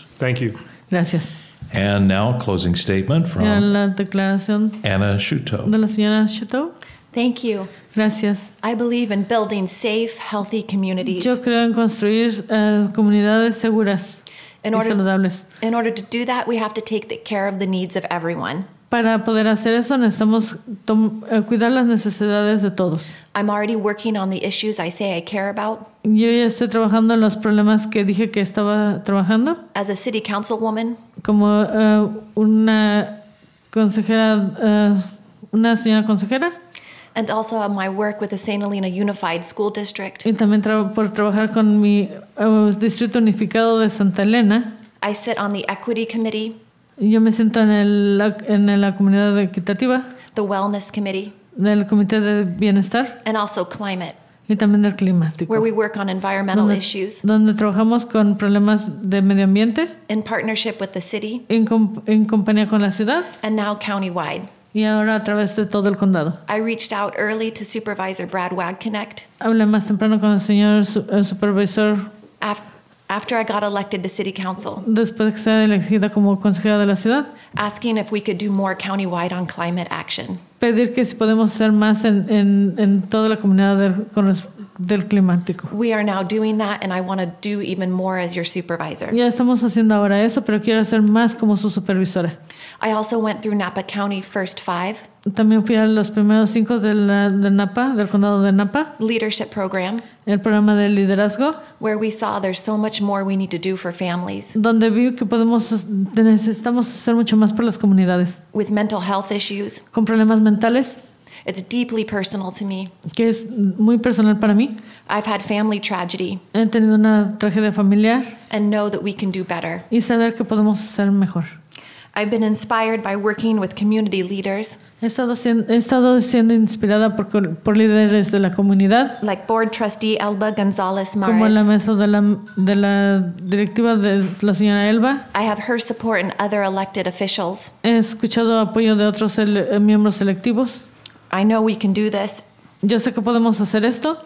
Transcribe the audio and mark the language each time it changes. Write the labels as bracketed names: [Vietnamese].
[English] Thank you. [Spanish] Gracias. [English] And now closing statement from [Spanish] la declaración [English] Anna Shuto. [Spanish] De la señora Shuto. [English] Thank you. [Spanish] Gracias. [English] I believe in building safe, healthy communities. [Spanish] Yo creo en construir comunidades seguras y saludables. [English] In order to do that, we have to take care of the needs of everyone. [Spanish] Para poder hacer eso, necesitamos cuidar las necesidades de todos. [English] I'm already working on the issues I say I care about. [Spanish] Yo ya estoy trabajando en los problemas que dije que estaba trabajando. [English] As a city councilwoman. [Spanish] Como una consejera, una señora consejera. [English] And also my work with the St. Helena Unified School District. [Spanish] Y también por trabajar con mi distrito unificado de Santa Elena. [English] I sit on the Equity Committee. [Spanish] Yo me siento en la comunidad equitativa. [English] The Wellness Committee. [Spanish] Del comité de bienestar. [English] And also climate. [Spanish] Y también del climático. [English] Where we work on environmental issues. [Spanish] Donde trabajamos con problemas de medio ambiente. [English] In partnership with the city. [Spanish] En compañía con la ciudad. [English] And now countywide. [Spanish] Y ahora a través de todo el condado. [English] I reached out early to Supervisor Brad Wagconnect. [Spanish] Hablé más temprano con el señor supervisor. [English] After I got elected to City Council. [Spanish] Después de que sea elegida como consejera de la ciudad. [English] Asking if we could do more countywide on climate action. [Spanish] Pedir que si podemos hacer más en toda la comunidad con respecto del climático. [English] We are now doing that, and I want to do even more as your supervisor. [Spanish] Ya estamos haciendo ahora eso, pero quiero hacer más como su supervisora. [English] I also went through Napa County first five. [Spanish] También fui a los primeros cinco de Napa, del condado de Napa. [English] Leadership program. [Spanish] El programa de liderazgo. [English] Where we saw there's so much more we need to do for families. [Spanish] Donde vi que podemos, necesitamos hacer mucho más por las comunidades. [English] With mental health issues. [Spanish] Con problemas mentales. [English] It's deeply personal to me. [Spanish] Que es muy personal para mí. [English] I've had family tragedy. [Spanish] He tenido una tragedia familiar. [English] And know that we can do better. [Spanish] Y saber que podemos ser mejor. [English] I've been inspired by working with community leaders. [Spanish] He estado siendo inspirada por líderes de la comunidad. [English] Like board trustee Elba González Mares. [Spanish] Como la mesa de la directiva de la señora Elba. [English] I have her support and other elected officials. [Spanish] He escuchado apoyo de otros miembros electivos. [English] I know we can do this. [Spanish] Yo sé que podemos hacer esto.